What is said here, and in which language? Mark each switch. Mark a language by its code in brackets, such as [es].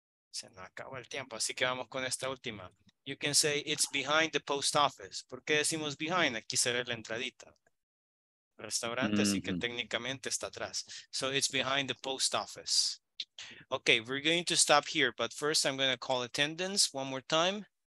[es] Se nos acabó el tiempo, así que vamos con esta última. [en] You can say it's behind the post office. [es] ¿Por qué decimos behind? Aquí se ve la entradita. Restaurante, mm-hmm. así que técnicamente está atrás. [en] So it's behind the post office. Okay, we're going to stop here, but first I'm going to call attendance one more time.